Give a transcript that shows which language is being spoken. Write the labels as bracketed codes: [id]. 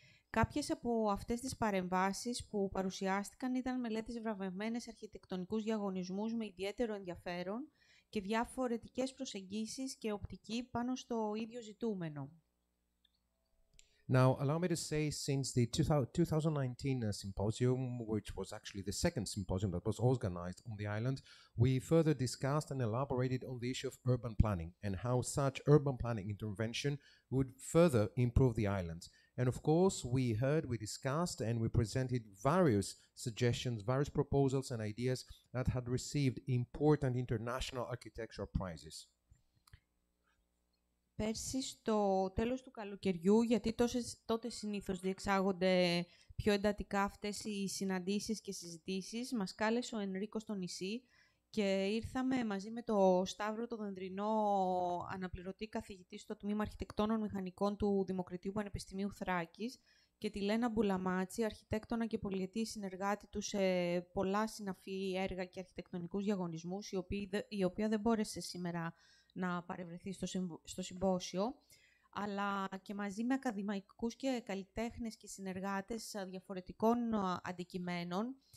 [el] Κάποιες από αυτές τις παρεμβάσεις που παρουσιάστηκαν ήταν μελέτες βραβευμένες αρχιτεκτονικούς διαγωνισμούς με ιδιαίτερο ενδιαφέρον και διαφορετικές προσεγγίσεις και οπτική πάνω στο ίδιο ζητούμενο. [en] Now, allow me to say, since the 2019 symposium, which was actually the second symposium that was organized on the island, we further discussed and elaborated on the issue of urban planning and how such urban planning intervention would further improve the island. And of course, we heard, we discussed, and we presented various suggestions, various proposals and ideas that had received important international architectural prizes. [el] Πέρσι, στο τέλος του καλοκαιριού, γιατί τότε συνήθως διεξάγονται πιο εντατικά αυτές οι συναντήσεις και συζητήσεις, μας κάλεσε ο Ενρίκο στο νησί και ήρθαμε μαζί με τον Σταύρο τον Δενδρινό, αναπληρωτή καθηγητή στο Τμήμα Αρχιτεκτόνων Μηχανικών του Δημοκρατίου Πανεπιστημίου Θράκης και τη Λένα Μπουλαμάτση, αρχιτέκτονα και πολυετή συνεργάτη του σε πολλά συναφή έργα και αρχιτεκτονικούς διαγωνισμούς, η οποία δεν μπόρεσε σήμερα να παρευρεθεί στο συμπόσιο, αλλά και μαζί με ακαδημαϊκούς και καλλιτέχνες και συνεργάτες διαφορετικών αντικειμένων,